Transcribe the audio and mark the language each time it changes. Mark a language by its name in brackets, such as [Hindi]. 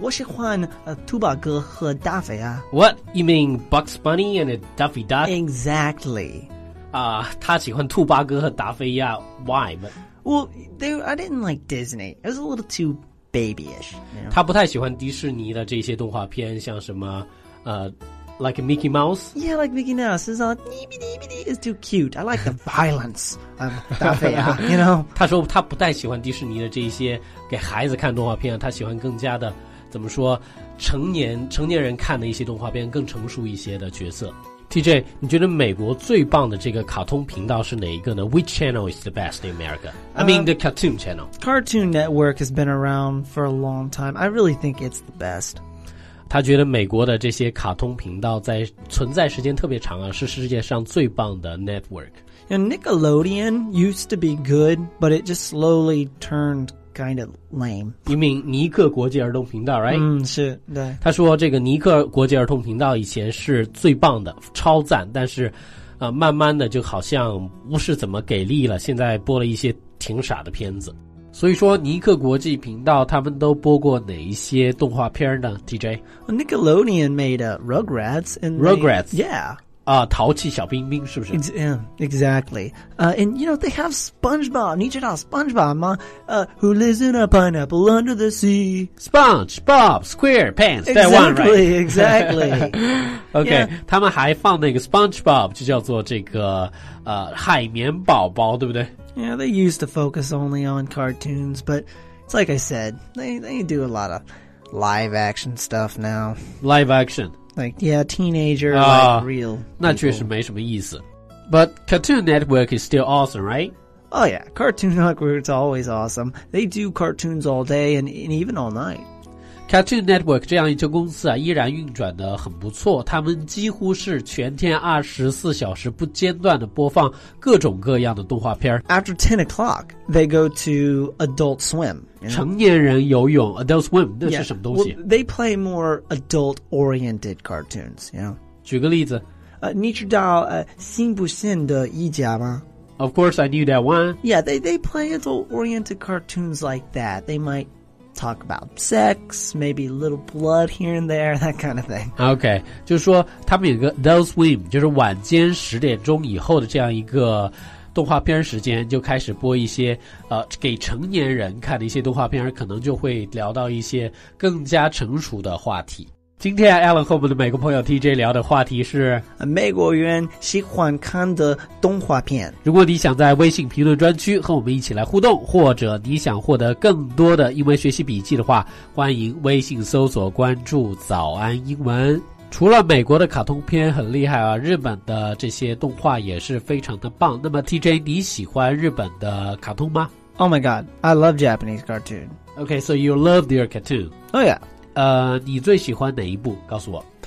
[Chinese] 我喜欢兔宝哥和大肥啊。 [English] What? You mean Bugs Bunny and Daffy Duck? Exactly. [Chinese] 他喜欢兔宝哥和大肥啊。 [English] Why? Well, I didn't like Disney. It was a little too babyish. You know? [Chinese] 他不太喜欢迪士尼的这些动画片，像什么 [English] like Mickey Mouse? Yeah, like Mickey Mouse. It's all, it's too cute. I like the violence. Daffy, you know? [Chinese] 他说他不太喜欢迪士尼的这些给孩子看动画片，他喜欢更加的，怎么说，成年人看的一些动画片，更成熟一些的角色。 TJ, 你觉得美国最棒的这个卡通频道是哪一个呢？ [English] Which channel is the best in America? The cartoon channel. Cartoon Network has been around for a long time. I really think it's the best. [Chinese] 他觉得美国的这些卡通频道在存在时间特别长啊，是世界上最棒的 network。 [English] And Nickelodeon used to be good, but it just slowly turned kind of lame. You mean 尼克国际儿童频道 right? [Chinese] 是，对。他说这个尼克国际儿童频道以前是最棒的，超赞，但是慢慢的就好像不是怎么给力了，现在播了一些挺傻的片子。所以说尼克国际频道他们都播过哪一些动画片呢 TJ? [English] Nickelodeon made Rugrats and Rugrats they, yeah [Chinese] 啊，淘气小兵兵是不是 [English] exactly and you know they have SpongeBob [Chinese] 你知道 [English] SpongeBob 吗who lives in a pineapple under the sea SpongeBob SquarePants that one right exactly OK、yeah. [Chinese] 他们还放那个 SpongeBob 就叫做这个海绵宝宝对不对 [English] Yeah, they used to focus only on cartoons, but it's like I said, they do a lot of live action stuff now. Live action? Like, yeah, teenager, like real. [Chinese] 那确实没什么意思。 [English] But Cartoon Network is still awesome, right? Oh yeah, Cartoon Network is always awesome. They do cartoons all day and even all night. [Chinese] Cartoon Network 这样一家公司啊，依然运转得很不错。他们几乎是全天24小时不间断地播放各种各样的动画片。 [English] After 10 o'clock, they go to Adult Swim. You know? [Chinese] 成年人游泳 ,Adult Swim, 那是什么东西 [English] well, ?They play more adult-oriented cartoons, you know. [Chinese] 举个例子。你知道信不信的一家吗？ [English] Of course, I knew that one. Yeah, they play adult-oriented cartoons like that. They might... talk about sex, maybe a little blood here and there, that kind of thing. [Chinese] Okay, 就是说他们有个 Adult Swim, 就是晚间十点钟以后的这样一个动画片时间就开始播一些给成年人看的一些动画片可能就会聊到一些更加成熟的话题。今天 Alan 和我们的美国朋友 TJ 聊的话题是美国人喜欢看的动画片。如果你想在微信评论专区和我们一起来互动，或者你想获得更多的英文学习笔记的话，欢迎微信搜索关注早安英文。除了美国的卡通片很厉害啊，日本的这些动画也是非常的棒。那么 TJ 你喜欢日本的卡通吗？ [English] Oh my god, I love Japanese cartoon. Okay, so you love their cartoon. Oh yeah. [Chinese] 你最喜欢哪一部告诉我